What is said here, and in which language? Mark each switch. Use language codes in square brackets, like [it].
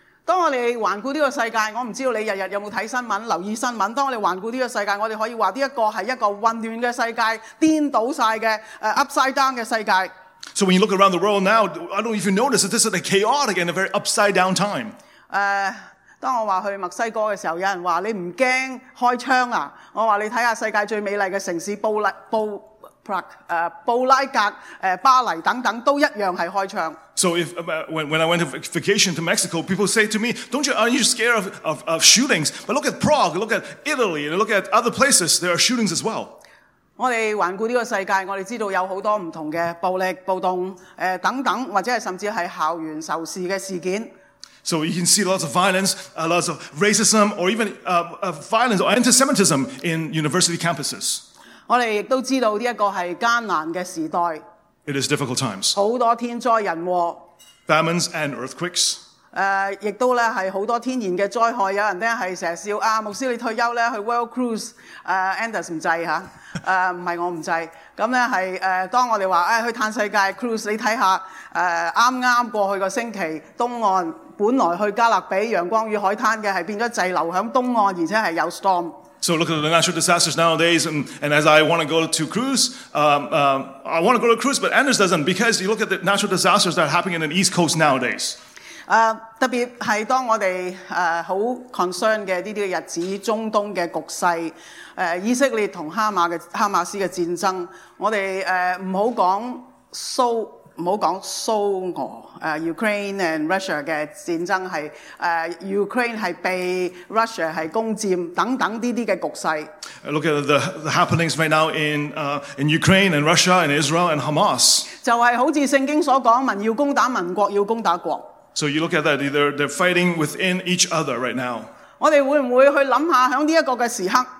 [yue] 當我哋環顧呢個世界，我唔知道你日日有冇睇新聞、留意新聞。當我哋環顧呢個世界，我哋可以話呢一個係一個混亂嘅世界，顛倒曬嘅 [en] upside down [yue] 嘅世界。 [en] So when you look around the world now, I don't even notice that this is a chaotic and a very upside down time. [yue] 當我話去墨西哥嘅時候，有人話你唔驚開槍啊？我話你睇下世界最美麗嘅城市布拉格、巴黎等等，都一樣係開槍。 [en] So when I went to vacation to Mexico, people say to me, aren't you scared of shootings? But look at Prague, look at Italy, and look at other places, there are shootings as well. [yue] 我哋環顧呢個世界，我哋知道有好多唔同嘅暴力、暴動、等等，或者係甚至係校園仇視嘅事件。 [en] So you can see lots of violence, lots of racism, or even violence or anti-Semitism in university campuses. [yue] 我哋亦都知道呢一個係艱難嘅時代。 [en] It is difficult times. [yue] 好多天災人禍。 [en] Famines and earthquakes. [yue] 亦都咧係好多天然嘅災害。有人咧係成日笑啊，牧師你退休咧去 World Cruise， Anders 唔制嚇，唔係我唔制。咁咧係當我哋話去探世界 Cruise， 你睇下啱啱過去個星期東岸。本來去加勒比陽光與海灘嘅係變咗滯留響東岸，而且係有 storm。 [en] So look at the natural disasters nowadays, and as I want to go to cruise, I want to go to cruise, but Anders doesn't because you look at the natural disasters that are happening in the East Coast nowadays. [yue] 特別係當我哋好concern嘅呢啲日子，中東嘅局勢，以色列同哈馬斯嘅戰爭，我哋唔好講唔好講蘇俄 [en] Ukraine and Russia [yue] 嘅戰爭係Ukraine 係被 Russia 係攻佔等等呢啲嘅局勢。 [en] Look at the happenings right now in Ukraine and Russia and Israel and Hamas。 [yue] 就係好似聖經所講，民要攻打民國，要攻打國。 [en] So you look at that, they're fighting within each other right now。 [yue] 我哋會唔會去諗下喺呢一個嘅時刻？